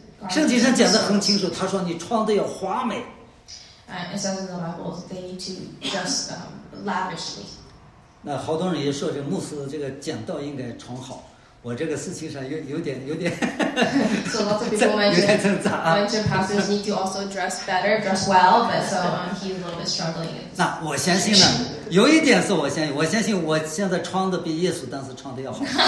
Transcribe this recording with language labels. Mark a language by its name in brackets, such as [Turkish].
[Chinese] 圣经上讲的很清楚，他说你穿的要华美。 [English] And it says in the Bible they need to dress lavishly. [Chinese] 那好多人也说这牧师这个讲道应该穿好。我这个事情上有点 [English] ，so lots of people mention pastors need to also dress better, dress well, but so he's a little bit struggling. [Chinese] 那我相信呢，有一点是我相信我现在穿的比耶稣当时穿的要好。